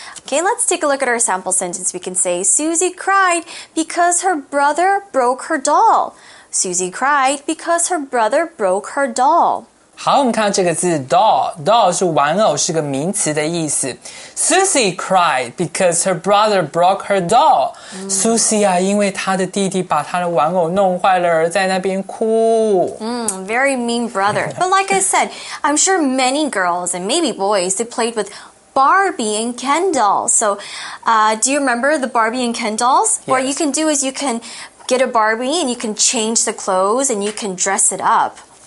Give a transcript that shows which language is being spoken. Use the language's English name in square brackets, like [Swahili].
[English] Okay, let's take a look at our sample sentence. We can say, Susie cried because her brother broke her doll. Susie cried because her brother broke her doll. [Chinese] 好，我们看到这个字 doll， doll 是玩偶，是个名词的意思。 [English] Susie cried because her brother broke her doll.、Mm. [Chinese] Susie 啊，因为她的弟弟把她的玩偶弄坏了，而在那边哭。 [English] Very mean brother. But like I said, I'm sure many girls and maybe boys they played with Barbie and Ken dolls. So, do you remember the Barbie and Ken dolls? Yes. What you can do is you can get a Barbie and you can change the clothes and you can dress it up.